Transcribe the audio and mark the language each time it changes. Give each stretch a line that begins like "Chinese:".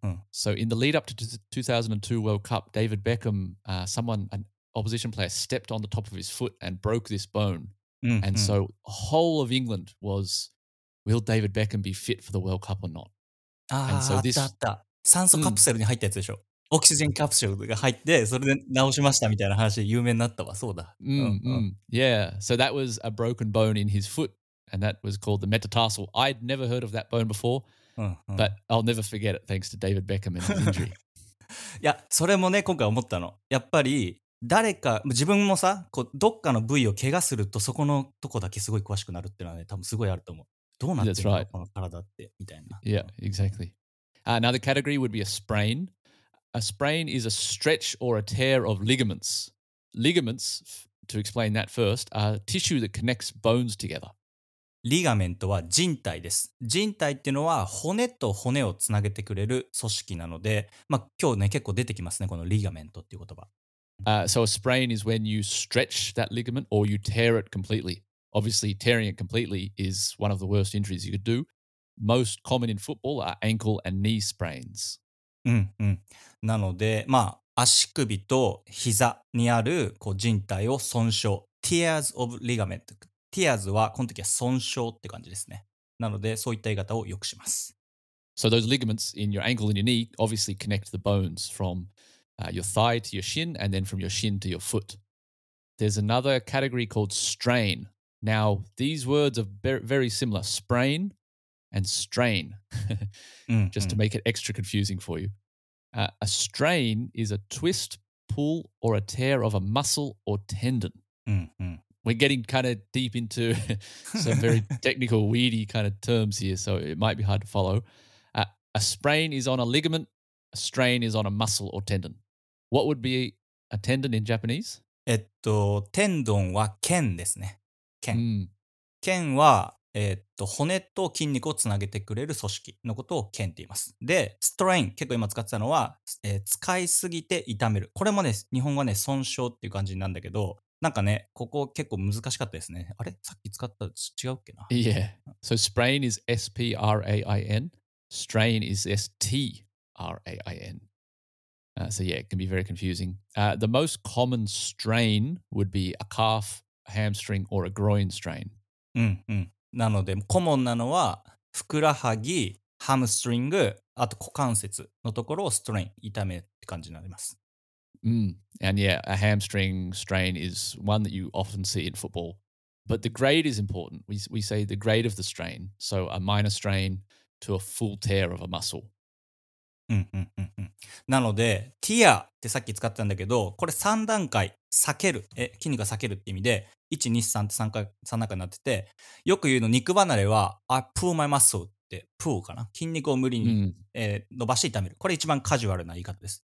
English: So in the lead up to the 2002 World Cup, David Beckham, an opposition player, stepped on the top of his foot and broke this bone. And so the whole of England was, will David Beckham be fit for the World Cup or not? Ah, so this,
Japanese: あった。酸素カプセルに入ったやつでしょ。オキシジェンカプセルが入って、それで治しましたみたいな話で有名になったわ。そうだ。
English: Yeah, so that was a broken bone in his foot, and that was called the metatarsal. I'd never heard of that bone before. But I'll never forget it, thanks to David Beckham and his injury.
Japanese: いや、それもね、今回思ったの。やっぱり、誰か、自分もさ、こうどっかの部位を怪我すると、そこのとこだけすごい詳しくなるっていうのはね、多分すごいあると思う。どうなってるの、この体って、みたいな。
English: Yeah, exactly. Another category would be a sprain. A sprain is a stretch or a tear of ligaments. Ligaments, to explain that first, are tissue that connects bones together.
Japanese: リガメントは靭帯です。靭帯っていうのは骨と骨をつなげてくれる組織なので、まあ今日ね結構出てきますね、このリガメントっていう言葉。
English: So a sprain is when you stretch that ligament or you tear it completely. Obviously tearing it completely is one of the worst injuries you could do. Most common in football are ankle and knee sprains.
Japanese: なので、まあ足首と膝にあるこう靭帯を損傷。
English: Tears of ligament.
Japanese: Tears はこの時は損傷って感じですね。なのでそういった言い方をよくします。
English: So those ligaments in your ankle and your knee obviously connect the bones from your thigh to your shin and then from your shin to your foot. There's another category called strain. Now these words are very similar, sprain and strain. Just to make it extra confusing for you. A strain is a twist, pull or a tear of a muscle or tendon. We're getting kind of deep into some very technical, weedy kind of terms here, so it might be hard to follow. A sprain is on a ligament, a strain is on a muscle or tendon. What would be a tendon in Japanese?
Japanese: Tendon は腱ですね。腱。腱は、骨と筋肉をつなげてくれる組織のことを腱って言います。で、strain、結構今使ってたのは、使いすぎて痛める。これもね、日本語はね、損傷っていう感じなんだけど、なんかね、ここ結構難しかったですね。あれ? さっき使ったと違うっけな?
English: Yeah. So sprain is S-P-R-A-I-N. Strain is S-T-R-A-I-N. So yeah, it can be very confusing. The most common strain would be a calf, a hamstring, or a groin strain.
Japanese: なので、コモンなのは、ふくらはぎ、ハムストリング、あと股関節のところをストレイン、痛めって感じになります。
English: And yeah, a hamstring strain is one that you often see in football. But the grade is important. We say the grade of the strain. So a minor strain to a full tear of a muscle.
Japanese: なので、tear ってさっき使ったんだけど、これ3段階、避ける、筋肉が避けるって意味で、 1、2、3って3中になってて、よく言うの肉離れは
English: I pull my muscle
Japanese: って pull かな、筋肉を無理に、伸ばして痛める、これ一番カジュアルな言い方です。